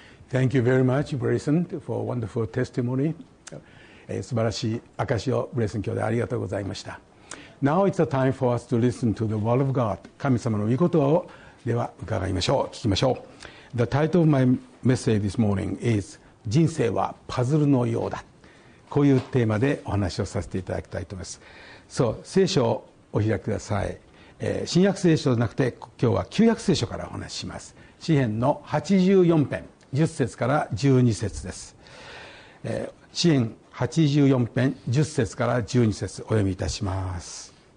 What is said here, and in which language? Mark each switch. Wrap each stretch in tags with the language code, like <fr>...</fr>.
<en>Thank you very much, Brayson, for a wonderful testimony.</en> <ja>素晴らしい証をブレイソン兄弟ありがとうございました。</ja> <en>Now it's a time for us to listen to the word of God.</en> <ja>神様の御言葉をでは伺いましょう、聞きましょう。</ja> <en>The title of my message this morning is</en> <ja>人生はパズルのようだ。こういうテーマでお話をさせていただきたいと思います。So, 聖書をお開きください。新約聖書じゃなくて今日は旧約聖書からお話しします。詩編の84編10節から12節です。詩編84編10節から12節お読みいたします。</ja>